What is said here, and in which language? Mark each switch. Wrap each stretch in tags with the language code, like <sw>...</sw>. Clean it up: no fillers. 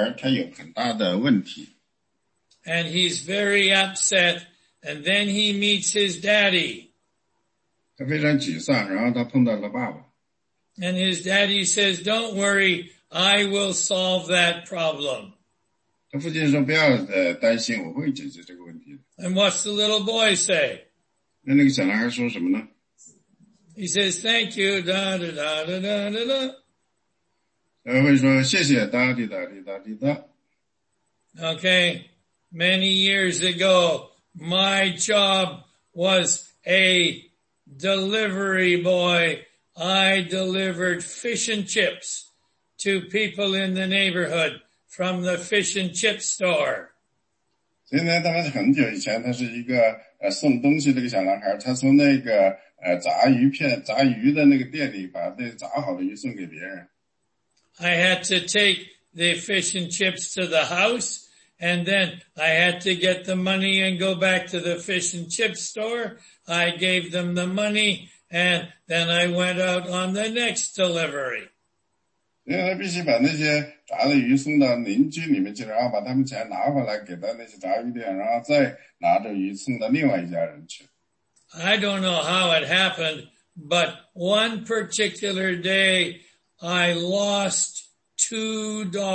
<zh>你可以想象一个男孩，他有很大的问题。</zh> <en>And he's very upset, and then he meets his daddy.</en> <zh>他非常沮丧，然后他碰到了爸爸。</zh> <en>And his daddy says, "Don't worry, I will solve that problem."</en> <zh>他父亲说：“不要担心，我会解决这个问题。”</zh> <en>And what's the little boy say?</en> <zh>那个小男孩说什么呢？</zh> <en>He says, "Thank you." Da da da da da da da.</en> <zh>他会说谢谢，哒滴哒滴哒滴哒。</zh> <en>Okay, many years ago, my job was a delivery boy. I delivered fish and chips to people in the neighborhood from the fish and chip store.</en> <zh>所以呢，他们很久以前，他是一个送东西的一个小男孩，他从那个炸鱼片、炸鱼的那个店里把那炸好的鱼送给别人。</zh> <en>I had to take the fish and chips to the house, and then I had to get the money and go back to the fish and chips store. I gave them the money, and then I went out on the next delivery.</en> <zh>因为他必须把那些炸的鱼送到邻居里面去，然后把他们钱拿回来给到那些炸鱼店，然后再拿着鱼送到另外一家人去。</zh> <en>I don't know how it happened, but one particular day, I lost $2.</en>